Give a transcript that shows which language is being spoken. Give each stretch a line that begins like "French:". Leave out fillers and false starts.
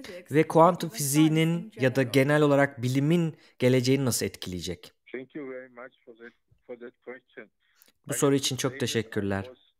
Turkish: Ve kuantum fiziğinin ya da genel olarak bilimin geleceğini nasıl etkileyecek?
English: Thank you very much for that question.
Turkish: Bu soru için çok teşekkürler.